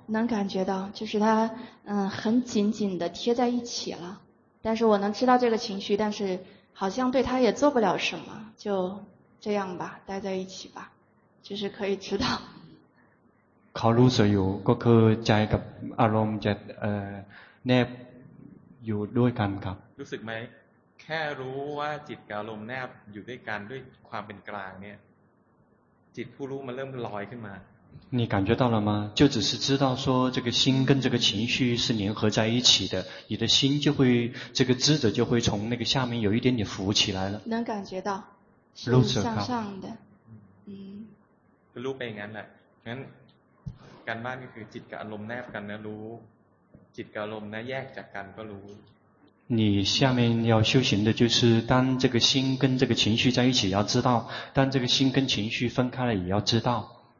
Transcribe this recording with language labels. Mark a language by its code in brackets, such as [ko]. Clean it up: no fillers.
[zh] 能感觉到就是它很紧紧地贴在一起了但是我能知道这个情绪但是好像对他也做不了什么就这样吧待在一起吧就是可以知道 [th] เขารู้สึกอยู่ก็คือใจกับอารมณ์จะแนบอยู่ด้วยกันครับ รู้สึกไหมแค่รู้ว่าจิตกับอารมณ์แนบอยู่ด้วยกันด้วยความเป็นกลางเนี่ยจิตผู้รู้มันเริ่มลอยขึ้นมา [zh] 你感觉到了吗？就只是知道说这个心跟这个情绪是联合在一起的，你的心就会这个智者就会从那个下面有一点点浮起来了。能感觉到，是向上的，嗯。 [th] รู้ไปงั้นแหละ งั้นการบ้านก็คือจิตกับอารมณ์แนบกันนะรู้จิตกับอารมณ์นะแยกจากกันก็รู้ [zh] 你下面要修行的就是当这个心跟这个情绪在一起要知道，当这个心跟情绪分开了也要知道。